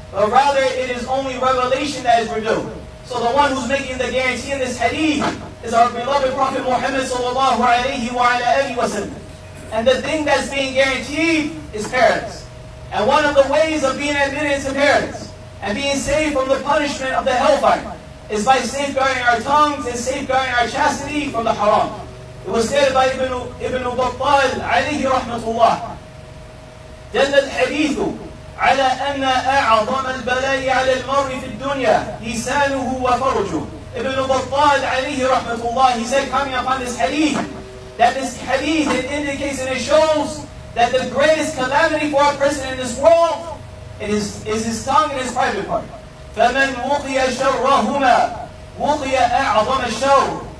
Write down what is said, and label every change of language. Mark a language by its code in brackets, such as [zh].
[en] But rather, it is only revelation that is revealed. So the one who's making the guarantee in this hadith is our beloved Prophet Muhammad sallallahu alayhi wa alayhi wa sallam. And the thing that's being guaranteed is paradise. And one of the ways of being admitted to paradise and being saved from the punishment of the hellfire is by safeguarding our tongues and safeguarding our chastity from the haram. It was said by Ibn Battal alayhi rahmatullah, [ar] دل الحديث على أن أعظم البلاء على المرء في الدنيا لسانه وفرجه. [en] Ibn Battal alayhi rahmatullah, he said, coming upon this hadith, that this hadith, it indicates and it shows that the greatest calamity for a person in this world is his tongue and his private part. [ar] فَمَنْ مُقِيَ شَرَّهُمَا مُقِيَ أَعْظَمَ الشَّرُ.